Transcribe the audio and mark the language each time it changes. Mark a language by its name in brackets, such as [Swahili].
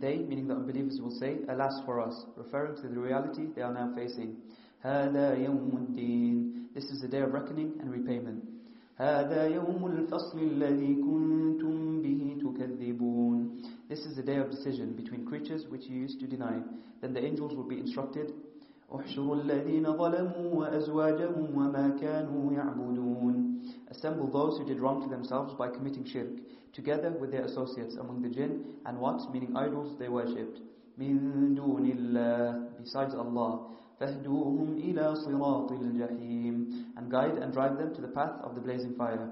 [English] They, meaning the unbelievers, will say, alas for us, referring to the reality they are now facing. [Arabic] هَذَا يَوْمُ الدِّينِ. [English] This is the day of reckoning and repayment. [Arabic] هَذَا يَوْمُ الْفَصْلِ الَّذِي كُنْتُمْ بِهِ تُكَذِّبُونَ. [English] This is the day of decision between creatures which you used to deny. Then the angels will be instructed, [Arabic] أحشر الذين ظلموا وأزواجهم وما كانوا يعبدون. [English] Assemble those who did wrong to themselves by committing shirk, together with their associates among the jinn, and what, meaning idols, they worshipped. [Arabic] من دون الله, [English] besides Allah. [Arabic] فهدوهم إلى صراط الجحيم. [English] And guide and drive them to the path of the blazing fire.